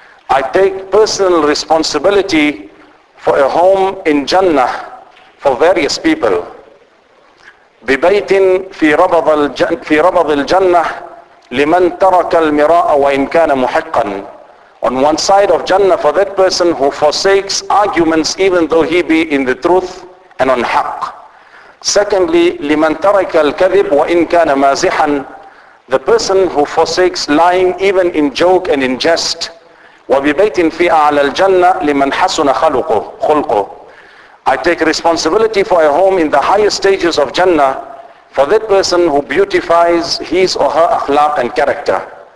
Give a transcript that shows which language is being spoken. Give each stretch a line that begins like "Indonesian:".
English: I take personal responsibility for a home in Jannah for various people.
Arabic: بِبَيْتٍ فِي رَبَضِ الْجَنَّةِ لِمَنْ تَرَكَ الْمِرَاءَ وَإِنْ كَانَ مُحِقًّا.
English: On one side of Jannah for that person who forsakes arguments even though he be in the truth and on haqq. Secondly,
Arabic: لِمَنْ تَرَكَ الْكَذِبُ وَإِنْ كَانَ مَازِحًا.
English: The person who forsakes lying even in joke and in jest.
Arabic: وَبِبَيْتٍ فِي أَعْلَى الْجَنَّةِ لِمَنْ حَسُنَ خَلُقُهُ.
English: I take responsibility for a home in the highest stages of Jannah for that person who beautifies his or her akhlaq and character.